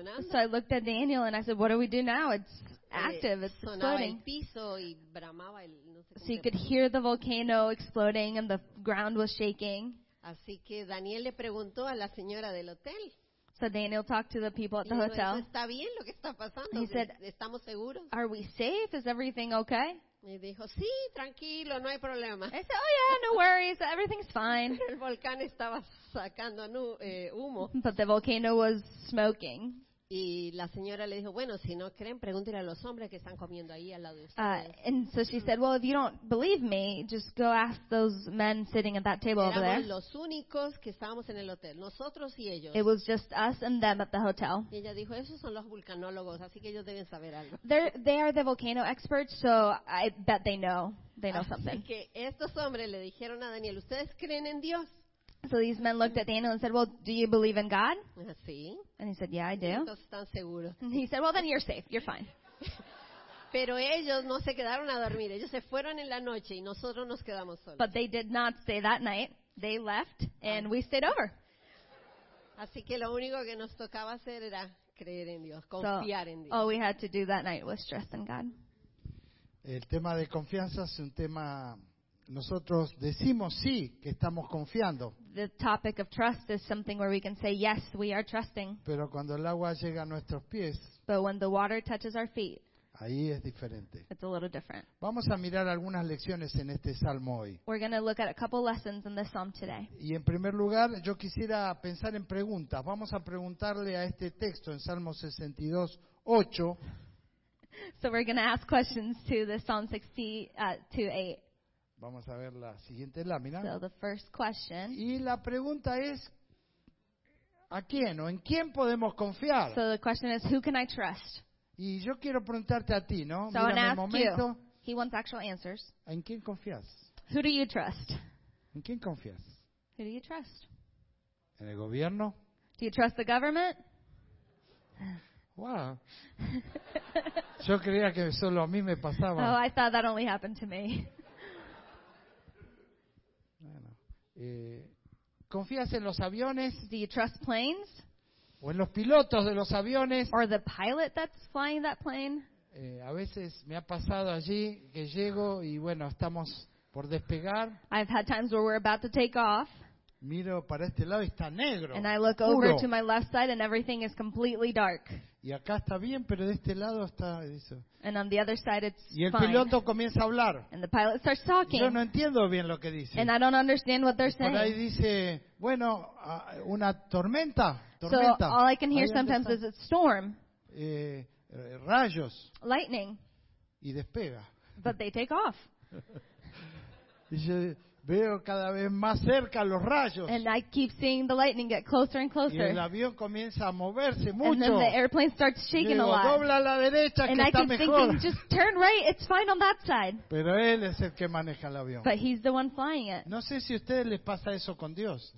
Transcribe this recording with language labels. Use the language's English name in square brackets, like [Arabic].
[English] So I looked at Daniel and I said, what do we do now? It's active, it's exploding. So you could hear the volcano exploding and the ground was shaking. [Spanish] Así que Daniel le preguntó a la señora del hotel. [English] So Daniel talked to the people at the hotel. [Spanish] ¿Está bien lo que está pasando? [English] He said, [Spanish] ¿estamos seguros? [English] Are we safe? Is everything okay? [Spanish] Y dijo, sí, tranquilo, no hay problema. [English] I said, oh yeah, no worries, everything's fine. [Spanish] El volcán estaba sacando humo. [English] But the volcano was smoking. [Spanish] Y la señora le dijo, bueno, si no creen, pregúntenle a los hombres que están comiendo ahí al lado de ustedes. [English] And so she said, well, if you don't believe me, just go ask those men sitting at that table [Spanish] Éramos [English] over there. [Spanish] Los únicos que estábamos en el hotel, nosotros y ellos. [English] It was just us and them at the hotel. [Spanish] Y ella dijo, esos son los vulcanólogos, así que ellos deben saber algo. [English] They are the volcano experts, so I bet they know [Spanish] así [English] something. [Spanish] Así que estos hombres le dijeron a Daniel, ¿ustedes creen en Dios? [English] So these men looked at Daniel and said, well, do you believe in God? [Spanish] Sí. [English] And he said, yeah, I do. [Spanish] Están seguros. [English] And he said, well, then you're safe. You're fine. [Spanish] Pero ellos no se quedaron a dormir. Ellos se fueron en la noche y nosotros nos quedamos solos. [English] But they did not stay that night. They left and we stayed over. [Spanish] Así que lo único que nos tocaba hacer era creer en Dios, confiar en Dios. [English] All we had to do that night was trust in God. [Spanish] El tema de confianza es un tema... Nosotros decimos sí que estamos confiando. [English] The topic of trust is something where we can say yes, we are trusting. [Spanish] Pero cuando el agua llega a nuestros pies, [English] but when the water touches our feet, [Spanish] ahí es diferente. [English] It's a little different. [Spanish] Vamos a mirar algunas lecciones en este salmo hoy. [English] We're going to look at a couple lessons in this psalm today. [Spanish] Y en primer lugar, yo quisiera pensar en preguntas. Vamos a preguntarle a este texto en Salmo 62:8. [English] So we're going to ask questions to the Psalm 62:8. [Spanish] Vamos a ver la siguiente lámina. [English] So the first question. [Spanish] Y la pregunta es, ¿a quién o en quién podemos confiar? [English] So the question is, who can I trust? [Spanish] Y yo quiero preguntarte a ti, ¿no? [English] So [Spanish] mira, el momento. [English] You. He wants actual answers. [Spanish] ¿En quién confías? [English] Who do you trust? [Spanish] ¿En quién confías? [English] Who do you trust? [Spanish] ¿En el gobierno? [English] Do you trust the government? Wow. [Spanish] Yo creía que solo a mí me pasaba. [English] Oh, I thought that only happened to me. [Spanish] ¿Confías en los aviones? [English] Do you trust planes? [Spanish] ¿O en los pilotos de los aviones? [English] Or the pilot that's flying that plane? [Spanish] A veces me ha pasado allí que llego y bueno, estamos por despegar. [English] I've had times where we're about to take off. [Spanish] Miro para este lado y está negro. [English] And I look [Spanish] oscuro. [English] Over to my left side and everything is completely dark. [Spanish] Y acá está bien, pero de este lado está eso. [English] And on the other side it's [Spanish] y el [English] fine. [Spanish] Piloto comienza a hablar. [English] And the pilot starts talking. [Spanish] Yo no entiendo bien lo que dice. [English] And I don't understand what they're saying. [Spanish] Por ahí dice, bueno, una tormenta. [English] So all I can hear sometimes is a storm. [Spanish] Rayos. [English] Lightning. [Spanish] Y despega. [English] But they take off. [Spanish] Dice, veo cada vez más cerca los rayos. [English] And I keep seeing the lightning get closer and closer. [Spanish] Y el avión comienza a moverse mucho. [English] And then the airplane starts shaking [Spanish] digo, [English] a lot. [Spanish] Dobla a la derecha, [English] and [Spanish] que [English] I [Spanish] está [English] keep [Spanish] mejor. [English] Thinking, just turn right, it's fine on that side. [Spanish] Pero él es el que maneja el avión. [English] But he's the one flying it. [Spanish] No sé si a ustedes les pasa eso con Dios.